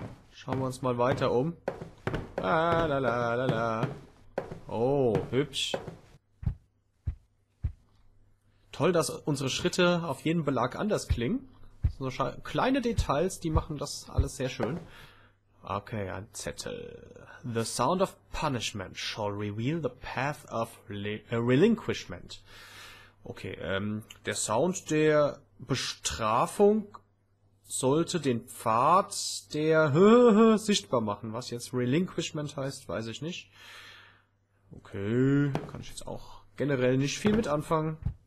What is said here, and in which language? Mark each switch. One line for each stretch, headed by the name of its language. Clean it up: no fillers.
German: Schauen wir uns mal weiter um. La la la la. Oh, hübsch. Toll, dass unsere Schritte auf jeden Belag anders klingen. So kleine Details, die machen das alles sehr schön. Okay, ein Zettel.
English: The sound of punishment shall reveal the path of relinquishment.
German: Okay, der Sound der Bestrafung sollte den Pfad der sichtbar machen. Was jetzt relinquishment heißt, weiß ich nicht. Okay, kann ich jetzt auch generell nicht viel mit anfangen.